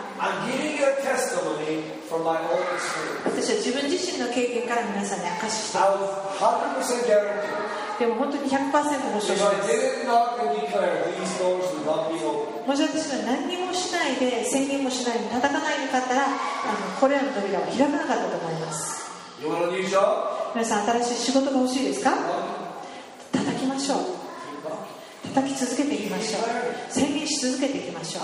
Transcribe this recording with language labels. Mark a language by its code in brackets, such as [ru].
[en] I'm giving you a testimony from my own experience. [ja] 私は自分自身の経験から皆さんに証しした。 [en] I was 100% guaranteed. [ja] でも本当に 100% 保証します。 [en] If I did not declare these doors would not be open. [ja] もし私が何もしないで、宣言もしないで叩かないでかったら、これらの扉は開かなかったと思います。 [en] You want a new job? [ja] 皆さん新しい仕事が欲しいですか? 叩きましょう。叩き続けていきましょう。宣言し続けていきましょう。